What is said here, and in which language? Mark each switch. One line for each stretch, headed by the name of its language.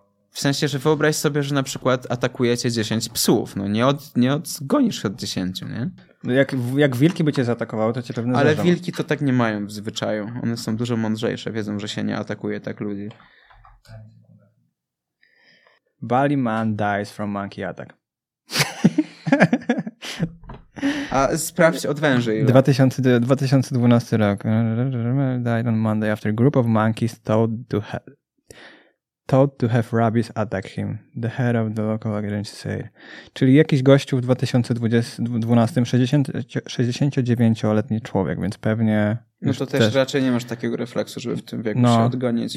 Polish: W sensie, że wyobraź sobie, że na przykład atakujecie 10 psów. No nie odgonisz od 10, nie? Jak wilki by cię zaatakowały, to cię pewnie zjadą. Ale wilki to tak nie mają w zwyczaju. One są dużo mądrzejsze, wiedzą, że się nie atakuje tak ludzi.
English: Bali man dies from monkey attack.
Polish: A sprawdź od węży. 2012 rok.
English: Died on Monday after a group of monkeys told to have rabies attack him, the head of the local agency said.
Polish: Czyli jakiś gościu w 2012, 69-letni człowiek, więc pewnie... No to też raczej nie masz takiego refleksu, żeby w tym wieku no, się odgonić.